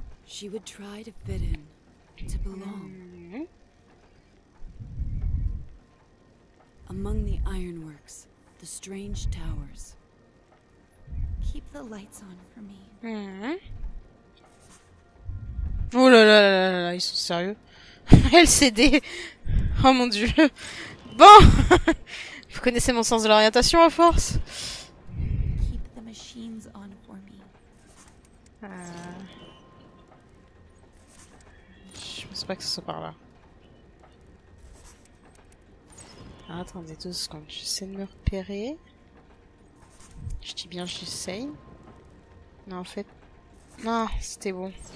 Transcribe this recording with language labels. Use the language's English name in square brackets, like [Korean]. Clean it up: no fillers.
[English] She would try to fit in, to belong. Among the ironworks, the strange towers. Keep the lights on for me. [French] Oh là là là là là, ils sont sérieux. LCD. Oh mon dieu. Bon. Vous connaissez mon sens de l'orientation à force. [English] Keep the machines on for me. [French] Je pense pas que ce soit par là. Attendez 2 secondes. J'essaie de me repérer. Je dis bien j'essaye. Non en fait... Non, c'était bon.